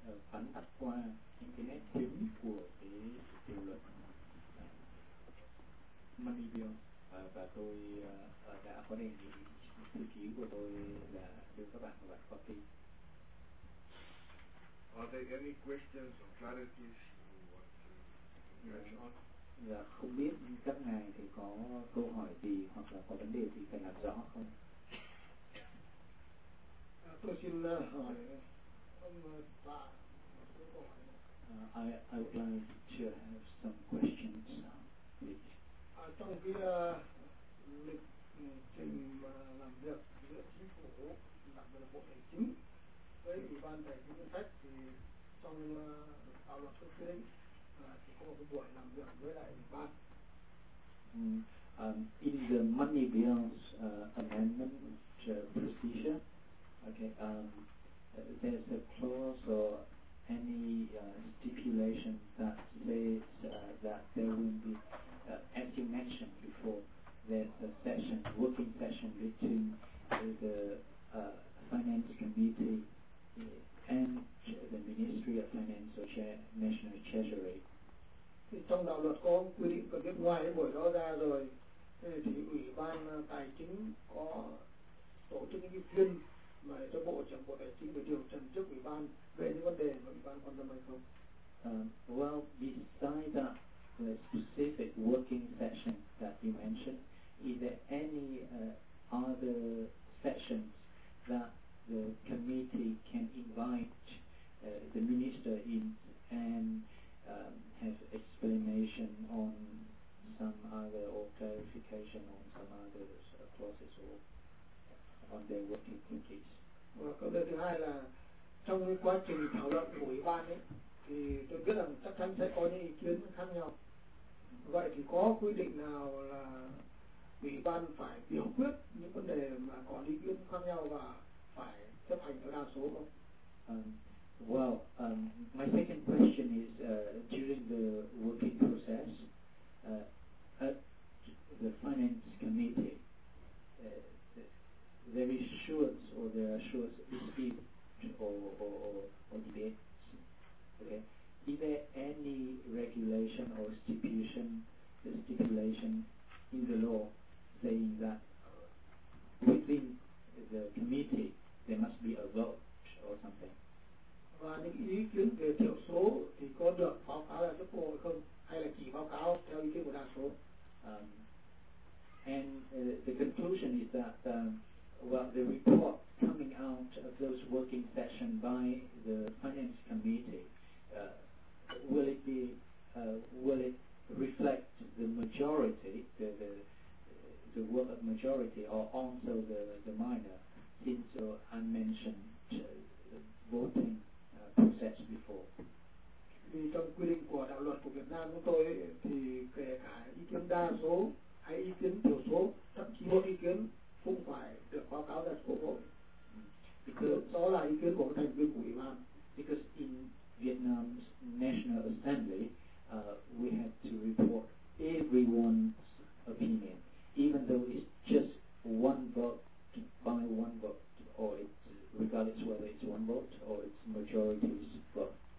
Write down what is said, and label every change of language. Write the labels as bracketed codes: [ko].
[vi] phản bác qua những cái nét chính của cái điều luật Money Bill. Và tôi đã có đề nghị thư ký của tôi là đưa các bạn vào copy. [en] Are there any questions or clarities you want to touch on? [vi] Dạ, không biết các ngài thì có câu hỏi gì hoặc là có vấn đề gì cần làm rõ không? Tôi xin hỏi ông bà một câu hỏi. [en] I would like to have some questions, please. [vi] Trong cái lịch trình làm việc giữa chính phủ, đặc biệt là Bộ Tài chính với Ủy ban Tài chính Ngân sách, thì trong đạo luật quốc tế thì có một buổi làm việc với lại Ủy ban. [en] In the Money Bill's amendment procedure, okay, there's a clause or any stipulation that says that there will be, as you mentioned before, there's a session, working session between the Finance Committee and the Ministry of Finance or National Treasury. [vi] Trong đạo luật có quy định, còn biết ngoài cái buổi đó ra rồi thì Ủy ban Tài chính có tổ chức những cái phiên mà cho Bộ trưởng Bộ Tài chính được điều trần trước Ủy ban về những vấn đề mà Ủy ban quan tâm hay không? [en] Well, beside that, the specific working session that you mentioned, is there any other sessions that the committee can invite the minister in and have explanation on some other, or clarification on some other clauses or on their working committees? [vi] Well, câu hỏi thứ hai là trong cái quá trình thảo luận của ủy ban ấy, thì tôi biết rằng chắc chắn sẽ có những ý kiến khác nhau. Vậy thì có quy định nào là ủy ban phải biểu quyết những vấn đề mà có ý kiến khác nhau và phải chấp hành tối đa số không? [en] Well, my second question is during the working process at the Finance Committee, there is short or there are short speech or debates. Okay, is there any regulation or stipulation in the law saying that within the committee there must be a vote or something? [vi] Và những ý kiến về thiểu số thì có được báo cáo lại cho cô hay không, hay là chỉ báo cáo theo ý kiến của đa số? [en] And the conclusion is that well, the report coming out of those working sessions by the Finance Committee, will it reflect the majority, the will of majority, or also the minor, since unmentioned voting process before? [vi] Thì trong quy định của đạo luật của Việt Nam chúng tôi ấy, thì kể cả ý kiến đa số hay ý kiến thiểu số, thậm chí một ý kiến cũng phải được báo cáo ra quốc hội. [en] Because [vi] đó là ý kiến của thành viên của ủy ban. [en] Because in Vietnam's National Assembly, we have to report everyone's opinion, even though it's just one vote by one vote, or it's regardless whether it's one vote or it's majority's vote.